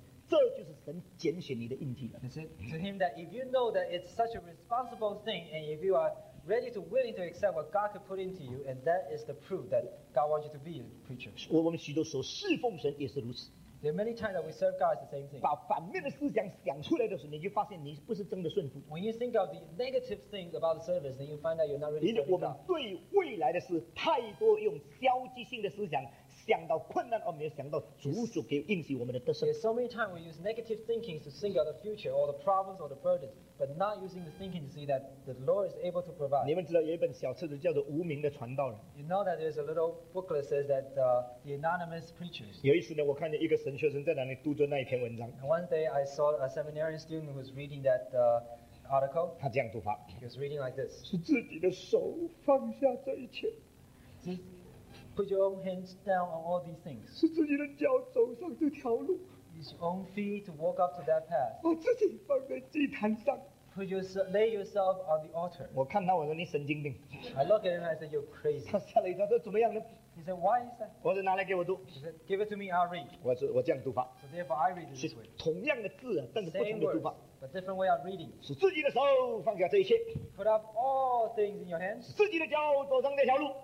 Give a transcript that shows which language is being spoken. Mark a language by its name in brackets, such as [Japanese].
[Chinese] 我告诉你，既然知道这是很困难、真的很重的，如果你实实在在顺服，神就把那甘愿的心放在里面，这就是神拣选你的印记了。 [English] He said to him that if you know that it's such a responsible thing, and if you are ready to willing to accept what God could put into you, and that is the proof that God wants you to be a preacher. [Chinese] 我们许多时候侍奉神也是如此。 [English] There are many times that we serve God the same thing. [Chinese] 把反面的思想想出来的时候，你就发现你不是真的顺服。When [English] you think of the negative things about the service, then you find that you're not really serving God. [Chinese] 我们对未来的事太多用消极性的思想，想到困难而没有想到主所给应许我们的得胜。 [English] There's so many times we use negative thinking to think of the future or the problems or the burdens, but not using the thinking to see that the Lord is able to provide. [Chinese] 你们知道有一本小册子叫做《无名的传道人》。 [English] You know that there's a little booklet says that the anonymous preachers. [Chinese] 有一次呢，我看见一个。神学生在哪里读着那一篇文章？ [English] One day I saw a seminary student who was reading that article. [Chinese] 他这样读法。 [English] He was reading like this. [Chinese] 是自己的手放下这一切。 [English] Put your own hands down on all these things. [Chinese] 是自己的脚走上这条路。 [English] Use your own feet to walk up to that path. [Chinese] 把自己放在祭坛上。 [English] Lay yourself on the altar. [Chinese] 我看到我说你神经病。 [English] I look at him and I said you're crazy. [Chinese] 他吓了一跳，说怎么样呢？ [English] He said, why is that? [Chinese] 我说拿来给我读。 [English] He said, give it to me, I'll read. [Chinese] 我这样读法。 [English] So therefore I read this way. [Chinese] 同样的字，但是不同的读法。 [English] Same words, but different way of reading. [Chinese] 是自己的手放下这一切。 [English] Put up all things in your hands. [Chinese] 是自己的脚走上这条路。